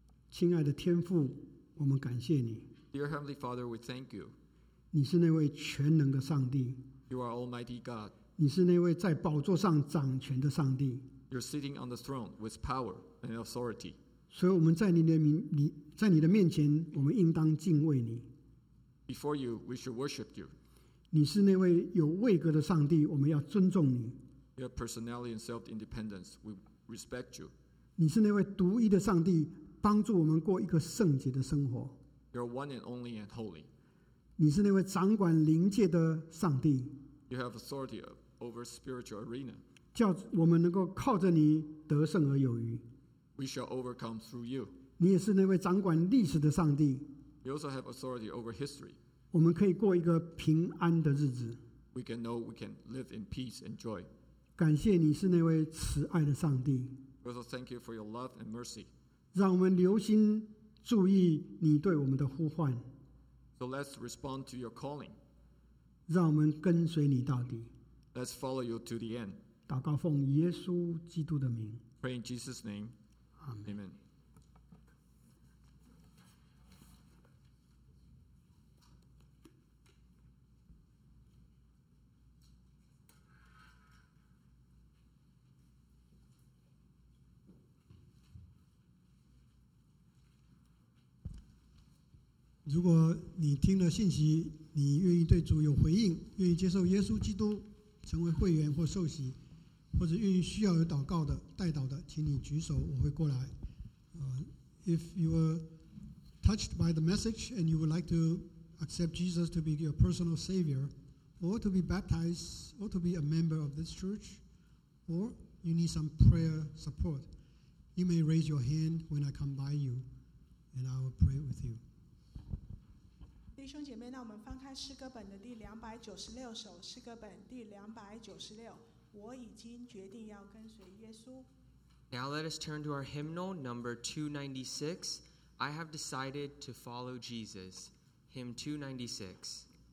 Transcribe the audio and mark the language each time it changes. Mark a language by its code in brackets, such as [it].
[zh] 亲爱的天父，我们感谢你。 [en] Dear Heavenly Father, we thank you. [zh] 你是那位全能的上帝。 [en] You are Almighty God. [zh] 你是那位在宝座上掌权的上帝。 [en] You're sitting on the throne with power and authority. [zh] 所以我们在你的面前，我们应当敬畏你。 [en] Before you, we should worship you. [zh] 你是那位有位格的上帝，我们要尊重你。 [en] You have personality and self-independence. We respect you. [zh] 你是那位独一的上帝，帮助我们过一个圣洁的生活。 [en] You're one and only and holy. [zh] 你是那位掌管灵界的上帝。 [en] You have authority over spiritual arena. [zh] 叫我们能够靠着你得胜而有余。 [en] We shall overcome through you. [zh] 你也是那位掌管历史的上帝。 [en] You also have authority over history. [zh] 我们可以过一个平安的日子。 [en] We can know we can live in peace and joy. [zh] 感谢你是那位慈爱的上帝。 [en] We also thank you for your love and mercy. [zh] 让我们留心注意你对我们的呼唤。 [en] So let's respond to your calling. [zh] 让我们跟随你到底。 [en] Let's follow you to the end. [zh] 祷告奉耶稣基督的名。 [en] Pray in Jesus' name. Amen. Amen. [zh] 如果你听了信息，你愿意对主有回应，愿意接受耶稣基督成为会员或受洗，或者愿意需要有祷告的代祷的，请你举手，我会过来。 [en] If you are touched by the message and you would like to accept Jesus to be your personal savior, or to be baptized, or to be a member of this church, or you need some prayer support, you may raise your hand when I come by you, and I will pray with you. [zh] 弟兄姐妹，那我们翻开诗歌本的第296首，诗歌本第296，我已经决定要跟随耶稣。 [en] Now let us turn to our hymnal number 296, I have decided to follow Jesus, hymn 296.